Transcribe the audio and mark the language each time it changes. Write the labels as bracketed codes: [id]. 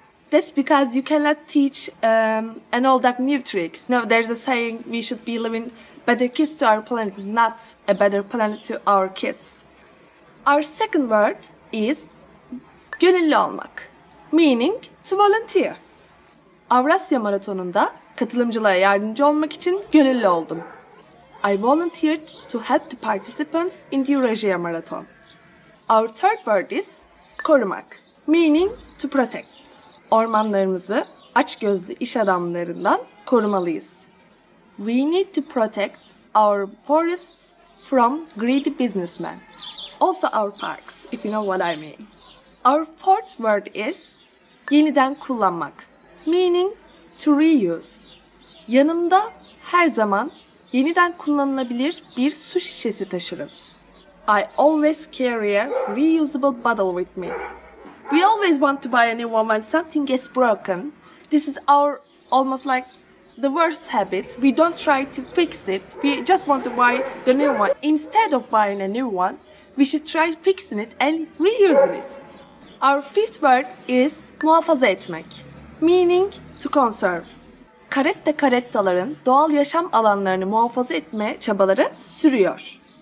[en] That's because you cannot teach an old duck new tricks. You know, there's a saying we should be leaving better kids to our planet, not a better planet to our kids. Our second word is [tr] gönüllü olmak, [en] meaning to volunteer. [tr] Avrasya Maratonu'nda katılımcılara yardımcı olmak için gönüllü oldum. [en] I volunteered to help the participants in the Eurasia Marathon. Our third word is korumak, meaning to protect. [tr] Ormanlarımızı açgözlü iş adamlarından korumalıyız. [en] We need to protect our forests from greedy businessmen. Also our parks, if you know what I mean. Our fourth word is [tr] yeniden kullanmak, [en] meaning to reuse. [tr] Yanımda her zaman yeniden kullanılabilir bir su şişesi taşırım. [en] I always carry a reusable bottle with me. We always want to buy a new one when something gets broken. This is our almost like the worst habit. We don't try to fix it. We just want to buy the new one. Instead of buying a new one, we should try fixing it and reusing it. Our fifth word is [tr] muhafaza etmek, [en] meaning to conserve. [tr] Karetta karettaların doğal yaşam alanlarını muhafaza etme çabaları sürüyor.